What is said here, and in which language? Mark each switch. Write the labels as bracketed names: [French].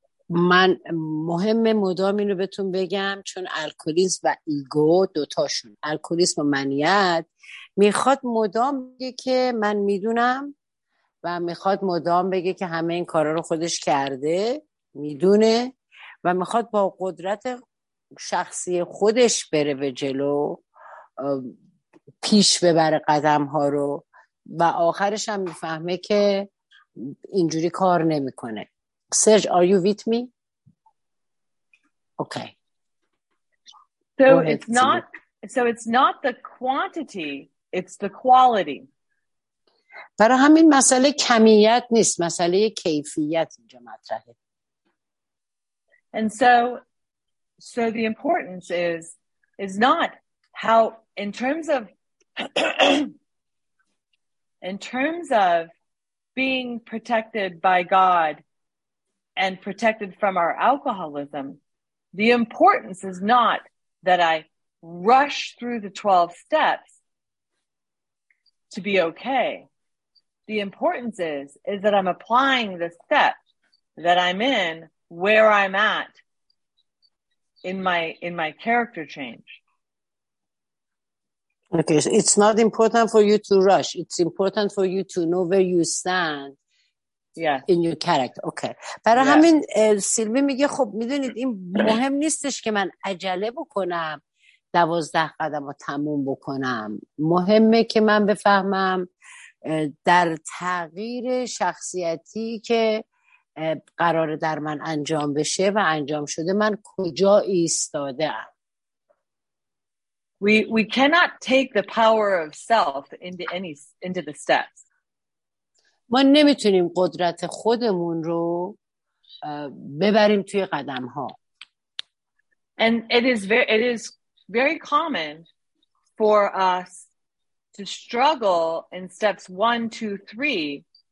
[Persian] من مهم مدام اینو بهتون بگم چون الکلیسم و ایگو دوتاشون، الکلیسم و منیت، میخواد مدام بگه که من میدونم و میخواد مدام بگه که همه این کارا رو خودش کرده، میدونه و میخواد با قدرت شخصی خودش بره به جلو، پیش ببره قدم ها رو و آخرش هم میفهمه که اینجوری کار نمیکنه. [English] Serge, are you with me? Okay. So ahead, it's not so it's not the quantity, it's the quality. [Persian] برای همین مسئله کمیت نیست، مسئله کیفیت اینجا مطرحه. [English] And so the importance is not how in terms of being protected by God and protected from our alcoholism, the importance is not that I rush through the 12 steps to be okay. The importance is that I'm applying the steps that I'm in where I'm at in my character change. Okay, so it's not important for you to rush. It's important for you to know where you stand. Yeah. In your character. Okay. [Persian] برای همین سیلوی میگه خب میدونید این مهم نیستش که من عجله بکنم 12 قدم رو تموم بکنم، مهمه که من بفهمم در تغییر شخصیتی که قرار در من انجام بشه و انجام شده من کجا ایستاده ام. [English] We cannot take the power of self into the steps. [Persian] ما نمیتونیم قدرت خودمون رو ببریم توی قدم ها. [English] And it is very common for us to struggle in steps 1, 2, 3.